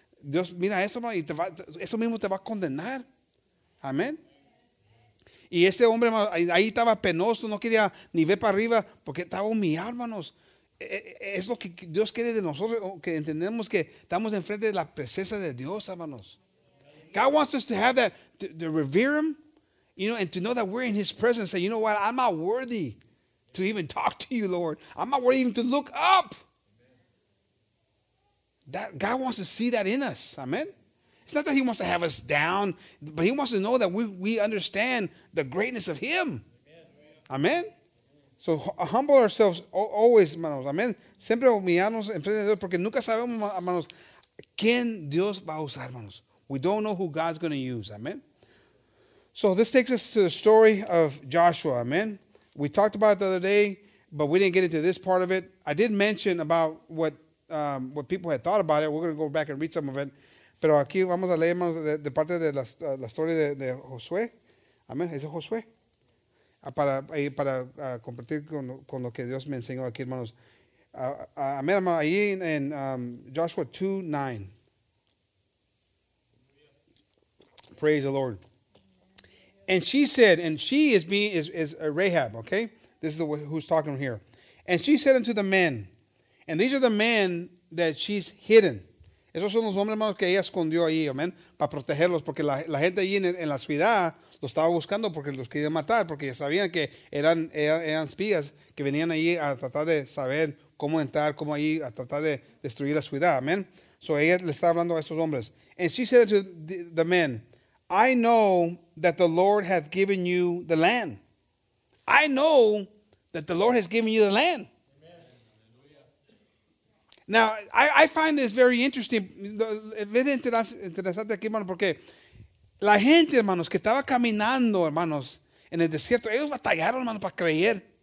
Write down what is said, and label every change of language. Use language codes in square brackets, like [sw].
[es] Dios mira eso, hermano, y eso mismo te va a condenar. Amén. Y este hombre, hermano, ahí estaba penoso, no quería ni ver para arriba, porque estaba humillado, hermanos. Es lo que Dios quiere de nosotros, que entendemos que estamos enfrente de la presencia de Dios, hermanos. [en] God wants us to have that, to revere Him, you know, and to know that we're in His presence. Say, you know what, I'm not worthy to even talk to you, Lord. I'm not worthy even to look up. That God wants to see that in us, amen. It's not that He wants to have us down, but He wants to know that we understand the greatness of Him, amen. So humble ourselves always, [es] hermanos. Amén. Siempre humillarnos en frente de Dios, porque nunca sabemos, hermanos, quién Dios va a usar, hermanos. [en] We don't know who God's going to use. Amen. So this takes us to the story of Joshua. Amen. We talked about it the other day, but we didn't get into this part of it. I did mention about what people had thought about it. We're going to go back and read some of it. [es] Pero aquí vamos a leer, hermanos, de parte de la historia de Josué. Amén. Ese es Josué. Para compartir con lo que Dios me enseñó aquí, hermanos. Amén, hermano, ahí en Joshua 2:9. [en] Praise the Lord. And she said, and she is Rahab, okay? This is who's talking here. And she said unto the men, and these are the men that she's hidden. [es] Esos son los hombres, hermanos, que ella escondió ahí, amén, para protegerlos, porque la gente allí en la ciudad lo estaba buscando porque los querían matar, porque ya sabían que eran espías que venían ahí a tratar de saber cómo entrar, cómo ahí a tratar de destruir la ciudad. Amén. So ella le estaba hablando a estos hombres. [en] And she said to the men, I know that the Lord hath given you the land. I know that the Lord has given you the land. Amen. Now, I find this very interesting. [es] Es interesante aquí, hermano, porque la gente, hermanos, que estaba caminando, hermanos, en el desierto, ellos batallaron, hermanos, para creer.